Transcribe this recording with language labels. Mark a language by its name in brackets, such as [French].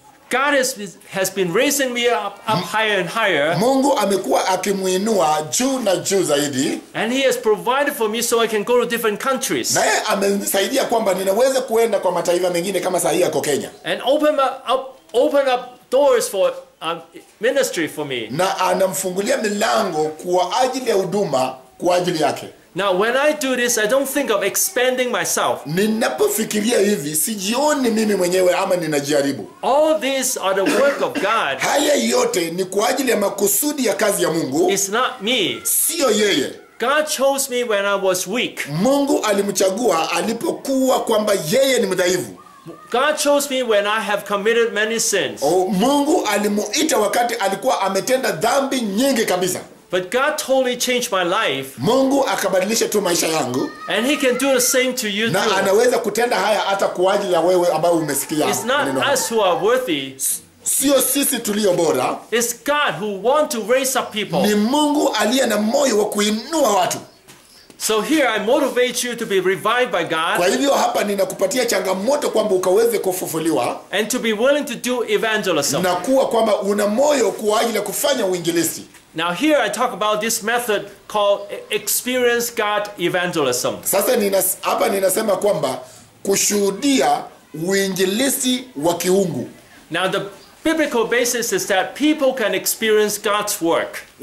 [English] God has been raising me up higher and higher. [Swahili] Mungu amekuwa akimuinua juu na juu zaidi. [English] And he has provided for me so I can go to different countries. [Swahili] Naye amenisaidia kwamba ninaweza kuenda kwa mataifa mengine kama sahihi yako Kenya. [English] And open up doors for ministry for me. [Swahili] Na anamfungulia milango kwa ajili ya huduma kwa ajili yake. [English] Now when I do this, I don't think of expanding myself. [Swahili] Ninapofikiria hivi, sijioni mimi mwenyewe ama ninajaribu. [English] All these are the work of God. [Swahili] Haya yote ni kwa ajili ya makusudi ya kazi ya Mungu. [English] It's not me. [Swahili] Sio yeye. [English] God chose me when I was weak. [Swahili] Mungu alimchagua alipokuwa kwamba yeye ni mdhaifu. [English] God chose me when I have committed many sins. [Swahili] Oh, Mungu alimuita wakati alikuwa ametenda dhambi nyingi kabisa. [English] But God totally changed my life. [Swahili] Mungu akabadilisha tu maisha yangu. [English] And he can do the same to you. [Swahili] Na anaweza kutenda haya hata kwa ajili ya wewe ambaye umesikia. [English] It's not us who are worthy. [Swahili] Sio sisi tulio bora. [English] It's God who want to raise up people. [Swahili] Ni Mungu aliye na moyo wa kuinua watu. [English] So here I motivate you to be revived by God. [Swahili] Kwa hivyo hapa ninakupatia changamoto kwamba ukaweze kufufuliwa. [English] And to be willing to do evangelism. [Swahili] Na kuwa kwamba una moyo kwa ajili ya kufanya uinjilisti. [English] Now here I talk about this method called experience God evangelism. [Swahili] Sasa hapa ninasema kwamba kushuhudia uinjilisti wa kiungu. [English] Now the biblical basis is that people can experience God's work.